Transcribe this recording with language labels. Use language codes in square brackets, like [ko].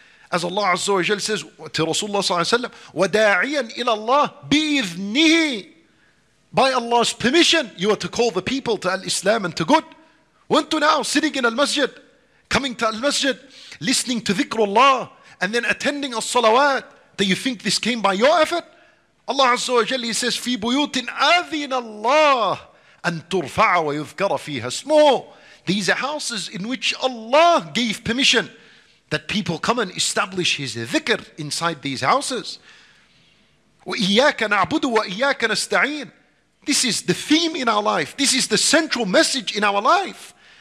[en] As Allah Azza wa Jal says to Rasulullah Sallallahu Alaihi Wasallam, [ar] وَدَاعِيًا إِلَى اللَّهِ بِإِذْنِهِ. [en] By Allah's permission, you are to call the people to al-Islam and to good. Weren't you now sitting in al-Masjid, coming to al-Masjid, listening to dhikrullah, and then attending as-salawat, that you think this came by your effort? Allah Azza wa Jal, he says, [ar] فِي بُيُوتٍ أَذِنَ اللَّهِ أَن تُرْفَعَ وَيُذْكَرَ فِيهَا اسْمُهُ. [en] These are houses in which Allah gave permission that people come and establish his dhikr inside these houses. [ar] وَإِيَّاكَ نَعْبُدُ وَإِيَّاكَ نَسْتَعِينَ. [en] This is the theme in our life. This is the central message in our life.